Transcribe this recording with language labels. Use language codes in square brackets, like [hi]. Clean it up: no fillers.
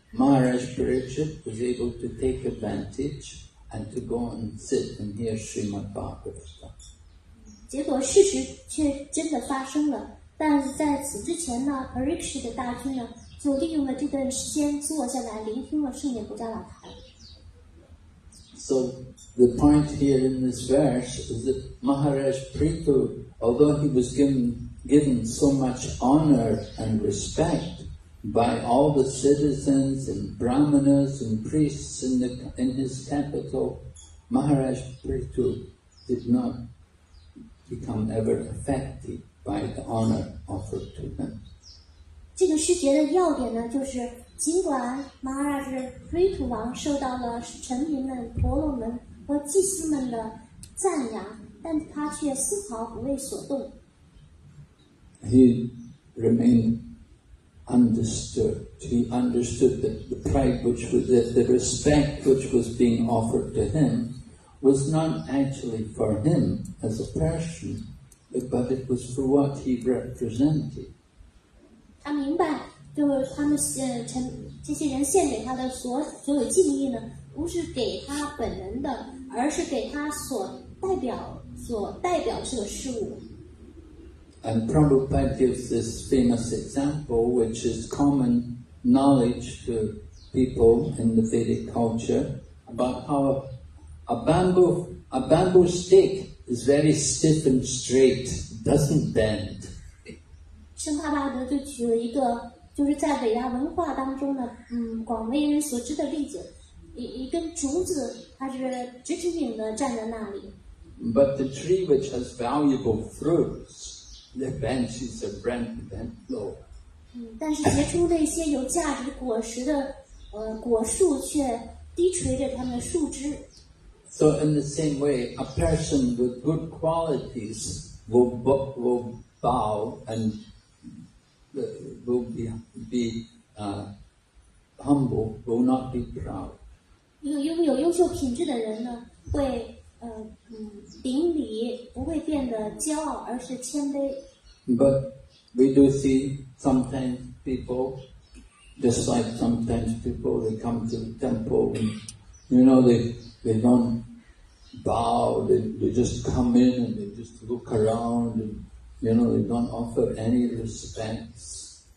[en] Maharaj Parikshit was able to take advantage and to go and sit and hear Srimad Bhagavatam. [zh] 结果事实却真的发生了，但在此之前呢 ，Parikshit 大军呢就利用了这段时间坐下来聆听了圣严国家老台。 [en] So the point here in this verse is that Maharaj Prithu, although he was given so much honor and respect. By all the citizens and brahmanas and priests in his capital, Maharaj Prithu did not become ever affected by the honor offered to him. [zh] 这个诗节的要点呢，就是尽管 Maharaj Prithu 王受到了臣民们、婆罗门和祭司们的赞扬，但他却丝毫不为所动。 [en] He remained. Understood. He understood that the pride which was there, the respect which was being offered to him was not actually for him as a person, but it was for what he represented. He [zh] 明白，就是他们这些人献给他的所有敬意呢，不是给他本人的，而是给他所代表这个事物。 [en] And Prabhupada gives this famous example, which is common knowledge to people in the Vedic culture, about how a bamboo stick is very stiff and straight, doesn't bend. [zh] 圣巴巴德就举了一个，就是在伟大文化当中呢，广为人所知的例子，一根竹子，它是直挺挺的站在那里。 [en] But the tree which has valuable fruits. The branches are bent and low. [zh] 但是结出那些有价值果实的果树却低垂着它们的树枝。 [en] So in the same way, a person with good qualities will bow and will be humble, will not be proud. [zh] 拥有优秀品质的人呢，会顶礼，不会变得骄傲，而是谦卑。 [en] But we do see sometimes people, just like sometimes people, they come to the temple, and, you know, they don't bow, they just come in and they just look around, and, you know, they don't offer any respects.